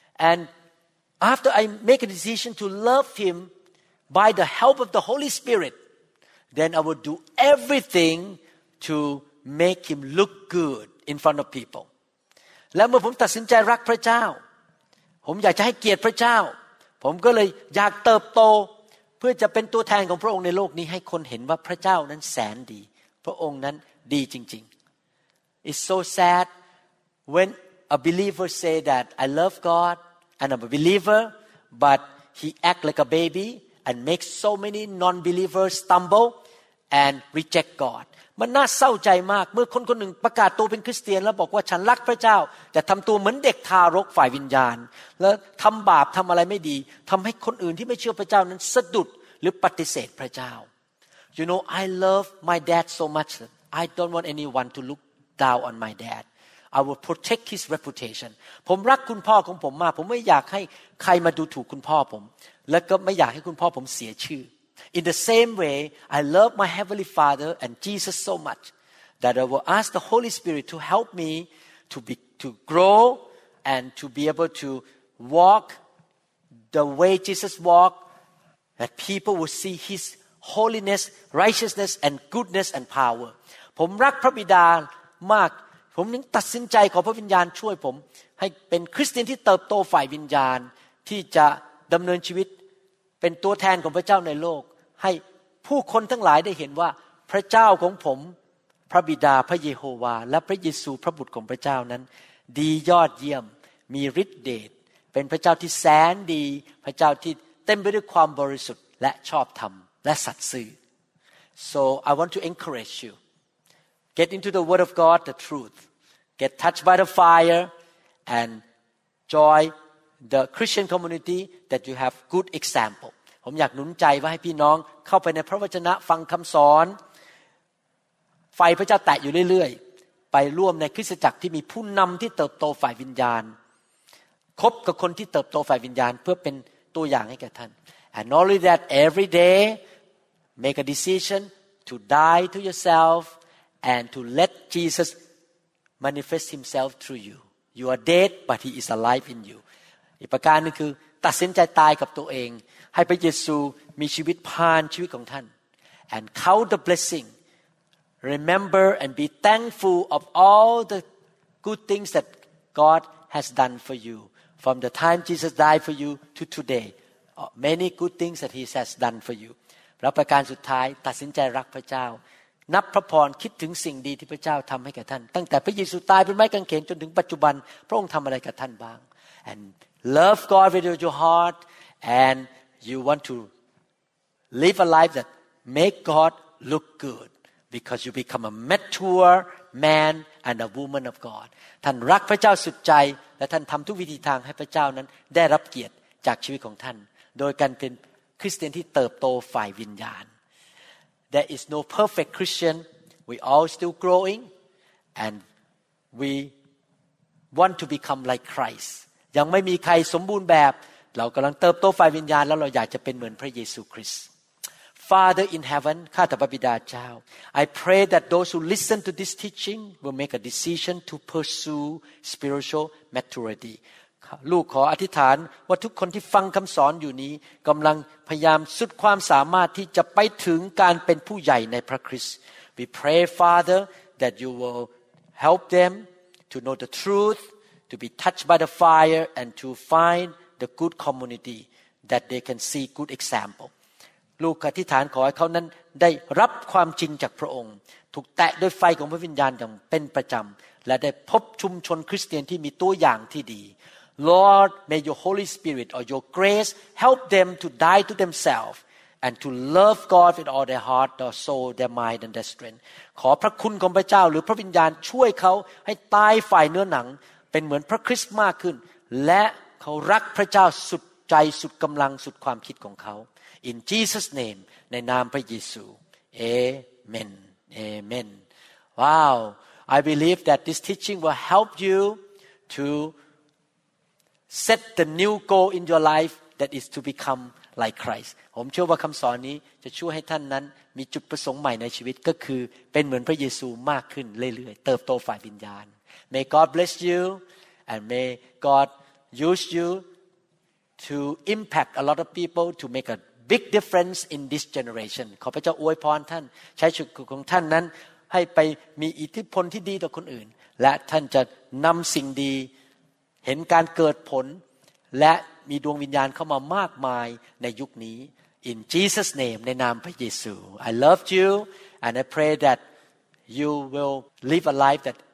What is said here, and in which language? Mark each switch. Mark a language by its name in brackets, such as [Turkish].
[English] And after I make a decision to love him by the help of the Holy Spirit then I will do everything to make him look good in front of people [Thai] แล้วเมื่อผมตัดสินใจรักพระเจ้าผมอยากจะให้เกียรติพระเจ้าผมก็เลยอยากเติบโตเพื่อจะเป็นตัวแทนของพระองค์ในโลกนี้ให้คนเห็นว่าพระเจ้านั้นแสนดีพระองค์นั้นดีจริงๆ [English] It's so sad when a believer say that I love God and I'm a believer, but he act like a baby and make so many non-believers stumble and reject God. [Thai] มันน่าเศร้าใจมากเมื่อคนคนหนึ่งประกาศตัวเป็นคริสเตียนแล้วบอกว่าฉันรักพระเจ้าแต่ทำตัวเหมือนเด็กทารกฝ่ายวิญญาณแล้วทำบาปทำอะไรไม่ดีทำให้คนอื่นที่ไม่เชื่อพระเจ้านั้นสะดุดหรือปฏิเสธพระเจ้า [English] You know I love my dad so much I don't want anyone to look down on my dad I will protect his reputation [Thai] ผมรักคุณพ่อของผมมากผมไม่อยากให้ใครมาดูถูกคุณพ่อผมและก็ไม่อยากให้คุณพ่อผมเสียชื่อ [English] In the same way, I love my Heavenly Father and Jesus so much that I will ask the Holy Spirit to help me to grow and to be able to walk the way Jesus walked, that people will see His holiness, righteousness, and goodness and power. [Thai] ผมรักพระบิดามากผมถึงตัดสินใจขอพระวิญญาณช่วยผมให้เป็นคริสเตียนที่เติบโตฝ่ายวิญญาณที่จะดำเนินชีวิตเป็นตัวแทนของพระเจ้าในโลกให้ผู้คนทั้งหลายได้เห็นว่าพระเจ้าของผมพระบิดาพระเยโฮวาและพระเยซูพระบุตรของพระเจ้านั้นดียอดเยี่ยมมีฤทธิ์เดชเป็นพระเจ้าที่แสนดีพระเจ้าที่เต็มไปด้วยความบริสุทธิ์และชอบธรรมและสัตย์ซื่อ [English] So I want to encourage you get into the word of God the truth get touched by the fire and joy the Christian community that you have good example. [Thai] ผมอยากหนุนใจว่าให้พี่น้องเข้าไปในพระวจนะฟังคำสอนไฟพระเจ้าแตะอยู่เรื่อยๆไปร่วมในคริสตจักรที่มีผู้นำที่เติบโตฝ่ายวิญญาณคบกับคนที่เติบโตฝ่ายวิญญาณเพื่อเป็นตัวอย่างให้แก่ท่าน [English] And not only that every day make a decision to die to yourself and to let Jesus manifest himself through you you are dead but he is alive in you [Thai] อีกประการนึงคือตัดสินใจตายกับตัวเองให้พระเยซูมีชีวิตผ่านชีวิตของท่าน [English] and count the blessing remember and be thankful of all the good things that God has done for you from the time Jesus died for you to today many good things that he has done for you [Thai] แล้วประการสุดท้ายตัดสินใจรักพระเจ้านับพระพรคิดถึงสิ่งดีที่พระเจ้าทำให้แก่ท่านตั้งแต่พระเยซูตายบนไม้กางเขนจนถึงปัจจุบันพระองค์ทำอะไรกับท่านบ้าง [English] and love God with all your heart andYou want to live a life that make God look good because you become a mature man and a woman of God. [Thai] ท่านรักพระเจ้าสุดใจและท่านทำทุกวิธีทางให้พระเจ้านั้นได้รับเกียรติจากชีวิตของท่านโดยการเป็นคริสเตียนที่เติบโตฝ่ายวิญญาณ [English] There is no perfect Christian. We all still growing and we want to become like Christ. [Thai] ยังไม่มีใครสมบูรณ์แบบเรากำลังเติบโตฝ่ายวิญญาณแล้วเราอยากจะเป็นเหมือนพระเยซูคริสต์ [English] Father in heaven [Thai] ข้าแต่พระบิดาเจ้า [English] I pray that those who listen to this teaching will make a decision to pursue spiritual maturity [Thai] ลูกขออธิษฐานว่าทุกคนที่ฟังคำสอนอยู่นี้กำลังพยายามสุดความสามารถที่จะไปถึงการเป็นผู้ใหญ่ในพระคริสต์ [English] We pray Father that you will help them to know the truth to be touched by the fire and to findthe good community that they can see good example [Thai] ลูกอธิษฐานขอให้เขานั้นได้รับความจริงจากพระองค์ถูกแตะด้วยไฟของพระวิญญาณอย่างเป็นประจำและได้พบชุมชนคริสเตียนที่มีตัวอย่างที่ดี [English] Lord may your holy spirit or your grace help them to die to themselves and to love God with all their heart their soul their mind and their strength [Thai] ขอพระคุณของพระเจ้าหรือพระวิญญาณช่วยเขาให้ตายฝ่ายเนื้อหนังเป็นเหมือนพระคริสต์มากขึ้นและเขารักพระเจ้าสุดใจสุดกำลังสุดความคิดของเขา [English] In Jesus name [Thai] ในนามพระเยซู [English] Amen Amen Wow I believe that this teaching will help you to set the new goal in your life that is to become like Christ [Thai] ผมเชื่อว่าคำสอนนี้จะช่วยให้ท่านนั้นมีจุดประสงค์ใหม่ในชีวิตก็คือเป็นเหมือนพระเยซูมากขึ้นเรื่อยๆเติบโตฝ่ายวิญญาณ [English] May God bless you and may GodUse you to impact a lot of people to make a big difference in this generation. [Thai] ขอพระเจ้าอวยพรท่านใช้ชีวิตของท่านนั้นให้ไปมีอิทธิพลที่ดีต่อคนอื่นและท่านจะนำสิ่งดีเห็นการเกิดผลและมีดวงวิญญาณเข้ามามากมายในยุคนี้ [English] In Jesus name [Thai] ในนามพระเยซู [English] I love you and I pray that you will live a life that